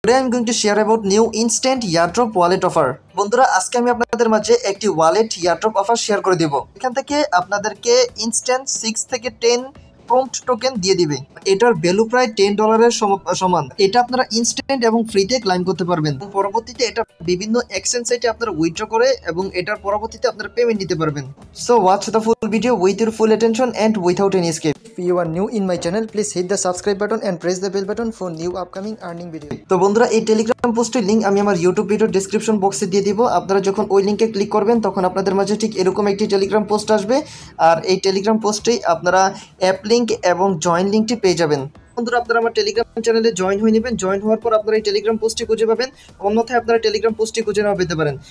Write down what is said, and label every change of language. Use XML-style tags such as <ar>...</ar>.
<en>Today I'm going to share about new instant airdrop wallet offer.</en> <bn>বন্ধুরা আজকে আমি আপনাদের মাঝে একটি ওয়ালেট এয়ারড্রপ অফার শেয়ার করে দেব। এখান থেকে আপনাদেরকে ইনস্ট্যান্ট 6 থেকে 10 প্রম্পট টোকেন দিয়ে দিবে। এটার ভ্যালু প্রায় $10 সমান। এটা আপনারা ইনস্ট্যান্ট এবং ফ্রিতে ক্লেম করতে পারবেন। পরবর্তীতে এটা বিভিন্ন এক্সচেঞ্জ সাইটে আপনারা উইথড্র করে এবং এটার পরবর্তীতে আপনারা পেমেন্ট দিতে পারবেন।</bn> <en>So watch the full video with your full attention and without any skip. If you are new in my channel, please hit the subscribe button and press the bell button for new upcoming earning video.</en> <bn>তো বন্ধুরা এই Telegram পোস্টের link আমি আমার YouTube video description বক্সে দিয়ে দিব। আপনারা যখন ওই লিংকে ক্লিক করবেন তখন আপনাদের মাঝে ঠিক এরকম একটি টেলিগ্রাম পোস্ট আসবে আর এই টেলিগ্রাম পোস্টে আপনারা অ্যাপ লিংক এবং জয়েন লিংকটি পেয়ে যাবেন। বন্ধুরা আপনারা আমার টেলিগ্রাম চ্যানেলে জয়েন হয়ে নেবেন। জয়েন হওয়ার পর আপনারা এই টেলিগ্রাম পোস্টটি খুঁজে পাবেন, অন্যথায় আপনারা টেলিগ্রাম পোস্টটি খুঁজে নাও পেতে পারেন।</bn>